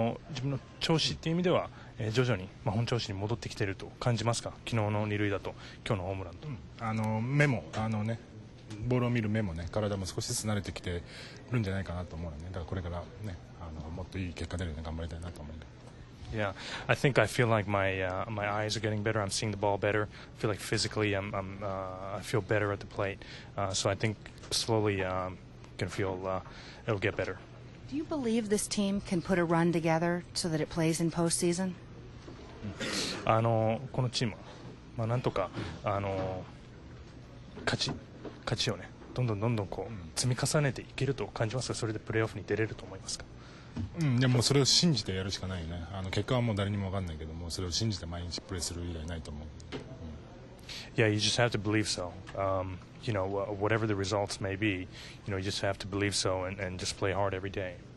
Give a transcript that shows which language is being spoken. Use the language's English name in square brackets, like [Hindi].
[Japanese] 自分の調子っていう意味では、徐々に、まあ、本調子に戻ってきてると感じますか？昨日の二塁打と今日のホームランと。目もね、ボールを見る目もね、体も少しずつ慣れてきてるんじゃないかなと思うね。だからこれからね、もっといい結果出るように頑張りたいなと思う。 [English] Yeah, I think I feel like my eyes are getting better. I'm seeing the ball better. I feel like physically I feel better at the plate. So I think slowly can feel it'll get better. Do you believe this team can put a run together so that it plays in postseason? [Japanese] このチーム、まあ、なんとか勝ちをね、どんどんどんどんこう積み重ねていけると感じますか？それでプレーオフに出れると思いますか？でもそれを信じてやるしかないよね。結果はもう誰にも分かんないけども、それを信じて毎日プレーする以外ないと思う。 [English] Yeah, you just have to believe so. You know, whatever the results may be, you know, you just have to believe so and just play hard every day.